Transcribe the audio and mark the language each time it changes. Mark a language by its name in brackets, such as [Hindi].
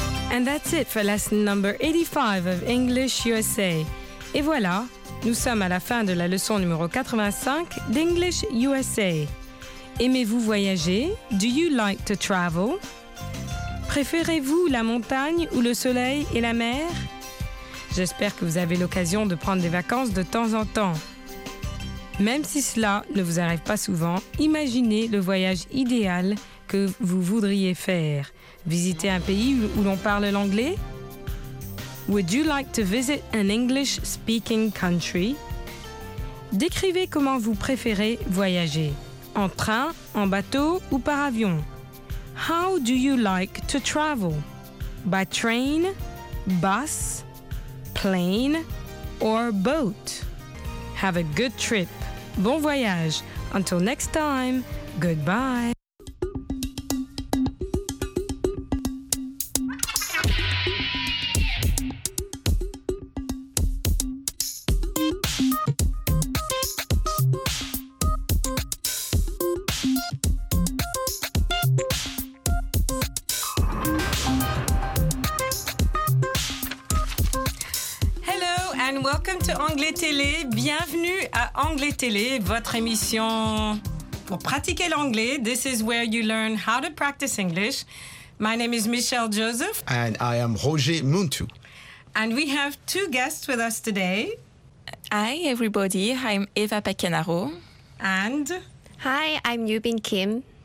[English] And that's it for lesson number 85 of English USA. [French] Et voilà, nous sommes à la fin de la leçon numéro 85 d'English USA. Aimez-vous voyager? [English] Do you like to travel? [French] Préférez-vous la montagne ou le soleil et la mer? J'espère que vous avez l'occasion de prendre des vacances de temps en temps. Même si cela ne vous arrive pas souvent, imaginez le voyage idéal que vous voudriez faire. Visiter un pays où l'on parle l'anglais? [English] Would you like to visit an English-speaking country? [French] Décrivez comment vous préférez voyager, en train, en bateau ou par avion. [English] How do you like to travel? By train, bus, plane or boat? Have a good trip. [French] Bon voyage. [English] Until next time, goodbye. Welcome to Anglais Télé. [French] Bienvenue à Anglais Télé, votre émission pour pratiquer l'anglais. [English] This is where you learn how to practice English. My name is Michelle Joseph. And I am Roger Muntu. And we have two guests with us today. Hi, everybody. I'm Eva Pacchianaro. And? Hi, I'm Yubin Kim.